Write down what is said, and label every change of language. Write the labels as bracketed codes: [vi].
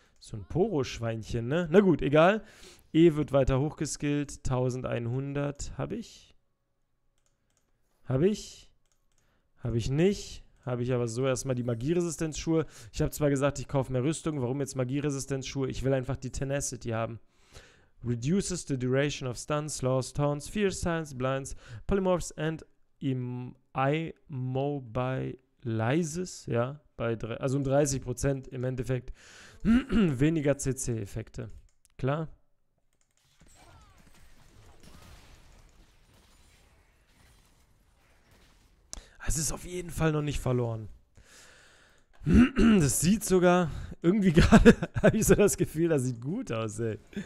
[de] So ein Poro-Schweinchen, ne? Na gut, egal. E wird weiter hochgeskillt. 1100 habe ich. Habe ich. Habe ich nicht. Habe ich aber so erstmal die Magieresistenzschuhe. Ich habe zwar gesagt, ich kaufe mehr Rüstung. Warum jetzt Magieresistenzschuhe? Ich will einfach die Tenacity haben. [en] Reduces the duration of stuns, laws, taunts, fear, silence, blinds, polymorphs and immobilizes. [de] Ja, bei drei, also um 30% im Endeffekt. Weniger CC-Effekte. Klar. Es ist auf jeden Fall noch nicht verloren. Das sieht sogar irgendwie gerade, habe ich so das Gefühl, das sieht gut aus, ey.